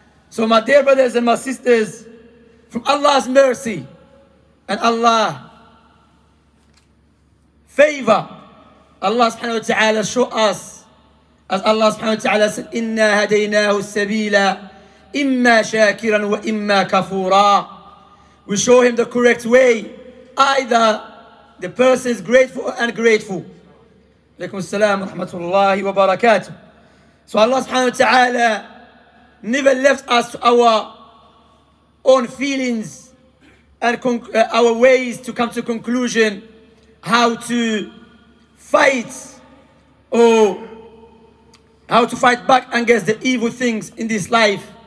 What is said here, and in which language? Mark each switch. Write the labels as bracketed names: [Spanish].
[English] So my dear brothers and my sisters, from Allah's mercy and Allah's favor, Allah subhanahu wa ta'ala show us, as Allah subhanahu wa ta'ala said, [Arabic] إِنَّا هَدَيْنَاهُ السَّبِيلَ إِمَّا شَاكِرًا وَإِمَّا كَفُورًا. [English] We show him the correct way. Either the person is grateful or ungrateful. [Arabic] عليكم السلام ورحمة الله وبركاته. [English] So Allah subhanahu wa ta'ala never left us to our own feelings and our ways to come to conclusion how to fight or how to fight back against the evil things in this life.